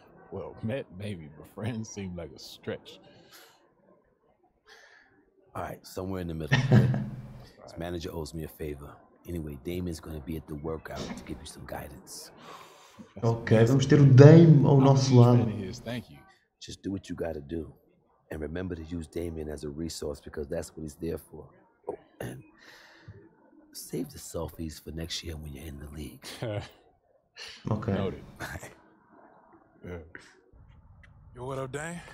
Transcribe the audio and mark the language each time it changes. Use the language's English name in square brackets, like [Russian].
[English] Well, met maybe, but friends seem like a stretch. All right, somewhere in the middle. His manager owes me a favor. Anyway, Damon's going to be at the workout to give you some guidance. [Portuguese] Okay, vamos ter o Dame ao nosso lado. [English] Thank you. Just do what you got to do. And remember to use Damon as a resource because that's what he's there for. Oh, and save the selfies for next year when you're in the league. Okay. Noted. Yeah. Yo, what up, Dame?